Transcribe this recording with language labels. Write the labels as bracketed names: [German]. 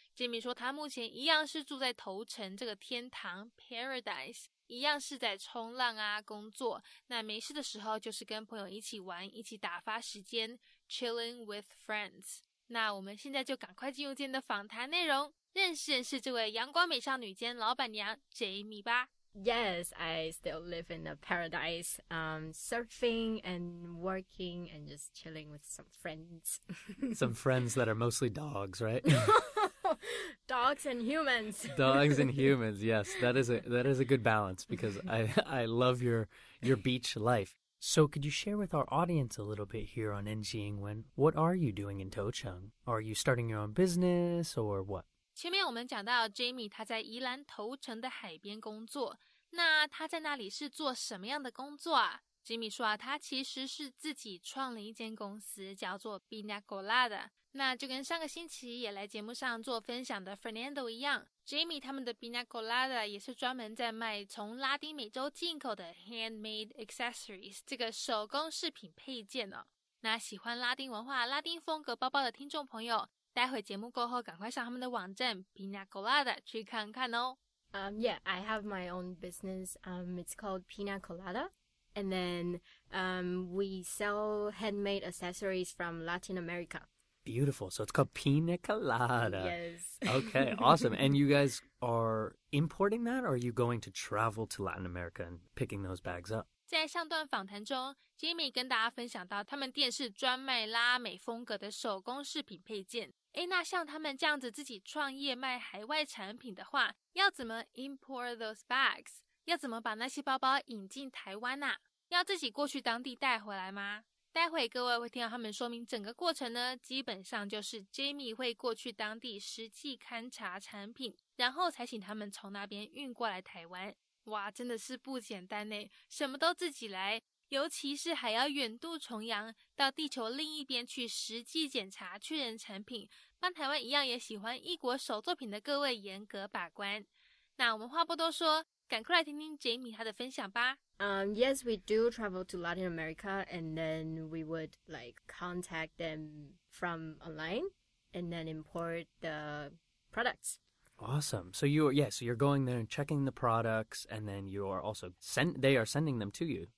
[Chinese] Jimmy 说他目前一样是住在头城这个天堂 Paradise， 一样是在冲浪啊工作，那没事的时候就是跟朋友一起玩，一起打发时间， [English] Chilling with friends。 [Chinese] 那我们现在就赶快进入今天的访谈内容，认识认识这位阳光美少女兼老板娘 Jimmy 吧。 [English] Yes, I still live in a paradise, surfing and working and just chilling with some friends. Some friends that are mostly dogs, right? Dogs and humans. Dogs and humans, yes. That is a good balance because I love your beach life. So could you share with our audience a little bit here on NG Ingwen, what are you doing in Tocheng? Are you starting your own business or what? [Chinese] 前面我们讲到 Jimmy 他在宜兰头城的海边工作，那他在那里是做什么样的工作啊？ Jimmy 说啊，他其实是自己创了一间公司叫做 Bina Colada， 那就跟上个星期也来节目上做分享的 Fernando 一样， Jimmy 他们的 Bina Colada 也是专门在卖从拉丁美洲进口的 [English] handmade accessories， [Chinese] 这个手工饰品配件哦。那喜欢拉丁文化拉丁风格包包的听众朋友，待会节目过后赶快上他们的网站 Pina Colada 去看看哦。 [English] Yeah, I have my own business. It's called Pina Colada. And then we sell handmade accessories from Latin America. Beautiful. So it's called Pina Colada. Yes. Okay, awesome. And you guys are importing that, or are you going to travel to Latin America and picking those bags up? [Chinese] 在上段访谈中， Jimmy 跟大家分享到他们店是专卖拉美风格的手工饰品配件。诶，那像他们这样子自己创业卖海外产品的话，要怎么 [English] import those bags？ [Chinese] 要怎么把那些包包引进台湾啊？要自己过去当地带回来吗？待会各位会听到他们说明整个过程呢，基本上就是 Jimmy 会过去当地实际勘察产品，然后才请他们从那边运过来台湾。哇，真的是不简单耶，什么都自己来，尤其是还要远渡重洋到地球另一边去实际检查确认产品，帮台湾一样也喜欢异国手作品的各位严格把关。那我们话不多说，赶快来听听 Jamie 他的分享吧。 [English] Yes, we do travel to Latin America and then we would like contact them from online and then import the products Awesome. So you're going there and checking the products, and then you are also sending them to you.